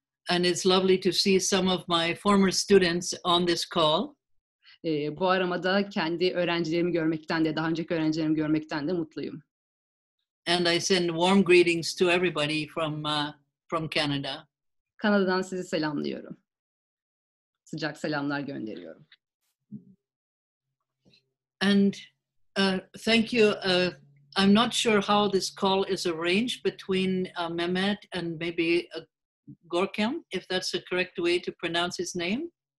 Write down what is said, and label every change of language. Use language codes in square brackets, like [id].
[en] And it's lovely to see some of my former students on this call. [tr] Bu aramada kendi öğrencilerimi görmekten de, daha önceki öğrencilerimi görmekten de mutluyum. [en] And I send warm greetings to everybody from Canada. [tr] Kanada'dan sizi selamlıyorum. Sıcak selamlar gönderiyorum. [en] And thank you. I'm not sure how this call is arranged between Mehmet and maybe Görkem, if that's the correct way to pronounce his name.